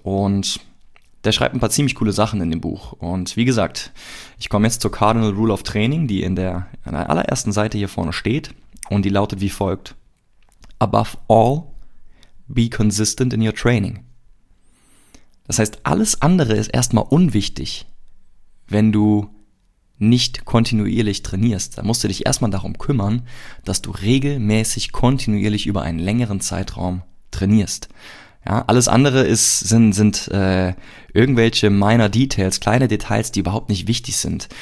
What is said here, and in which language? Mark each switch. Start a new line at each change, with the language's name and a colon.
German: Und der schreibt ein paar ziemlich coole Sachen in dem Buch. Und wie gesagt, ich komme jetzt zur Cardinal Rule of Training, die in der allerersten Seite hier vorne steht. Und die lautet wie folgt.
English: Above all, be consistent in your training.
German: Das heißt, alles andere ist erstmal unwichtig, wenn du nicht kontinuierlich trainierst. Da musst du dich erstmal darum kümmern, dass du regelmäßig kontinuierlich über einen längeren Zeitraum trainierst. Ja, alles andere sind irgendwelche minor Details, kleine Details, die überhaupt nicht wichtig sind.